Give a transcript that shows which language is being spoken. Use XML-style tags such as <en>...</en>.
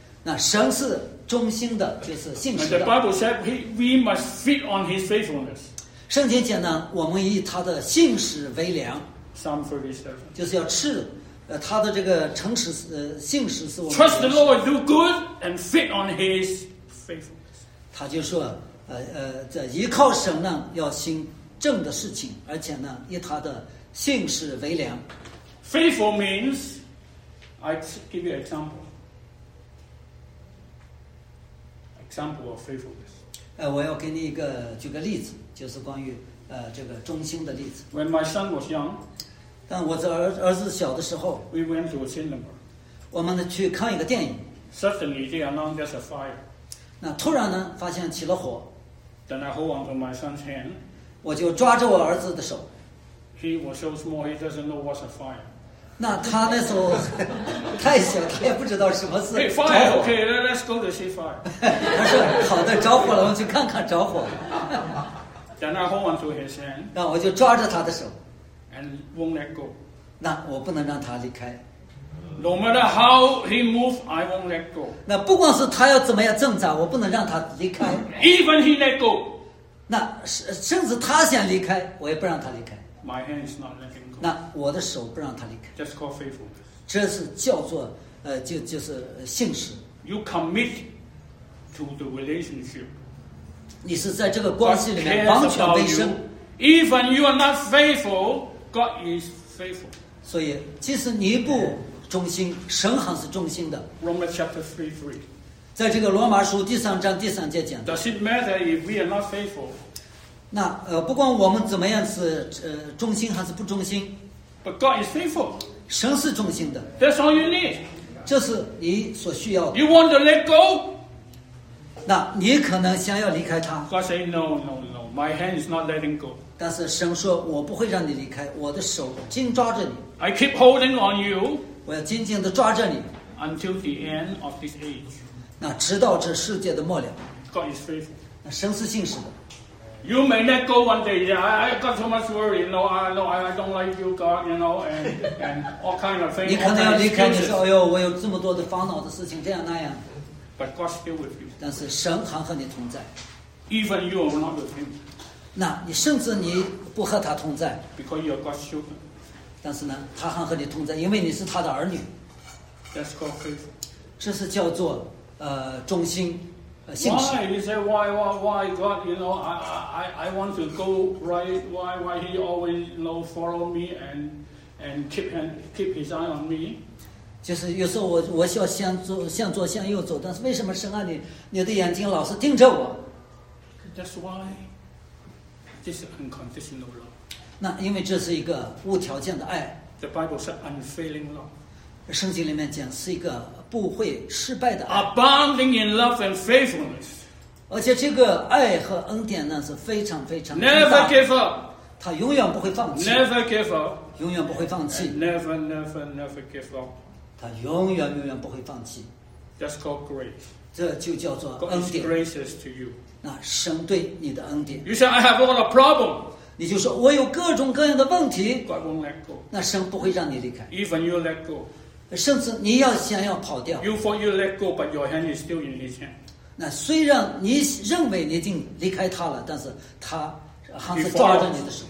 <zh>那神是忠心的，就是信实的。</zh> <en>The Bible said we must feed on His faithfulness.</en> <zh>圣经讲呢，我们以他的信实为粮。</zh> <en>Psalm 37.</en> <zh>就是要吃。他的这个诚实信实是我们</zh> <en>Trust the Lord, do good and feed on His faithfulness.</en> <zh>他就说，这依靠神呢，要行正的事情，而且呢，以他的信实为粮。</zh> <en>Faithful means, I give you example. Example of faithfulness.</en> <zh>我要给你一个举个例子，就是关于这个忠心的例子。</zh> <en>When my son was young.</en> <zh>但我在儿子小的时候</zh> <en>We went to a cinema.</en> <zh>我们呢去看一个电影</zh> <en>Suddenly they announced a fire.</en> <zh>那突然呢发现起了火</zh> <en>Then I hold on to my son's hand.</en> <zh>我就抓着我儿子的手</zh> <en>He was so small he doesn't know what's a fire.</en> <zh>那他那时候太小他也不知道什么是</zh> <en>Hey fire okay let's go to see fire.</en> <zh>他说好的着火了我们去看看着火</zh> <en>Then I hold on to his hand.</en> <zh>那我就抓着他的手</zh> <en>And won't let go.</en> <zh>那我不能让他离开。</zh> <en>No matter how he moves, I won't let go.</en> <zh>那不管是他要怎么样挣扎，我不能让他离开。</zh> <en>Even he let go.</en> <zh>那甚至他想离开，我也不让他离开。</zh> <en>My hand is not letting go.</en> <zh>那我的手不让他离开。</zh> <en>That's called faithfulness.</en> <zh>这是叫做就是信实。</zh> <en>You commit to the relationship.</en> <zh>你是在这个关系里面完全委身。</zh> <en>Even you are not faithful. God is faithful.</en> <zh>所以，即使你不忠心，神还是忠心的。</zh> <en>Romans chapter 3:3.</en> <zh>在这个罗马书第三章第三节讲。</zh> <en>Does it matter if we are not faithful?</en> <zh>那不管我们怎么样是忠心还是不忠心。</zh> <en>But God is faithful.</en> <zh>神是忠心的。</zh> <en>That's all you need.</en> <zh>这是你所需要的。</zh> <en>You want to let go?</en> <zh>那你可能想要离开他。</zh> <en>God say no, no, no. My hand is not letting go.</en> <zh>但是神说我不会让你离开我的手紧抓着你</zh> <en>I keep holding on you</en> <zh>我要紧紧地抓着你</zh> <en>until the end of this age</en> <zh>那直到这世界的末了</zh> <en>God is faithful</en> <zh>那神是信实的</zh> <en>You may let go one day. I got so much worry. No, I don't like you, God. You know, and all kind of things.</en> <zh>你可能要离开，你说，哎呦，我有这么多的烦恼的事情，这样那样。</zh> <en>But God still with you.</en> <zh>但是神还和你同在。</zh> <en>Even you are not with him.</en> <zh>那你甚至你不和他同在。</zh> <en>Because you are God's children.</en> <zh>但是呢，他还和你同在，因为你是他的儿女。</zh> <en>That's called faith.</en> <zh>这是叫做忠心。</zh> <en>Why? You say, why God, you know, I want to go right, why he always, you know, follow me and keep his eye on me?</en> <zh>就是有时候我需要向左向左向右走，但是为什么神啊，你的眼睛老是盯着我？</zh> <en>That's why this is unconditional love.</en> <zh>那因为这是一个无条件的爱。</zh> <en>The Bible says unfailing love.</en> <zh>圣经里面讲是一个不会失败的</zh> <en>爱 abounding in love and faithfulness，</en> <zh>而且这个爱和恩典呢是非常非常</zh> <en>never give up，</en> <zh>他永远不会放弃</zh> <en>never give up，</en> <zh>永远不会放弃</zh> <en>never give up，</en> <zh>他永远不会放弃</zh> <en>that's called grace，</en> <zh>这就叫做恩典</zh> <en>God is gracious to you，</en> <zh>那神对你的恩典</zh> <en>you say I have all the problem，</en> <zh>你就说我有各种各样的问题</zh> <en>God won't let go，</en> <zh>那神不会让你离开</zh> <en>even you let go，</en> <zh>甚至你要想要跑掉</zh> <en>you thought you let go but your hand is still in his hand，</en> <zh>那虽然你认为你已经离开他了，但是他还是抓着你的手</zh>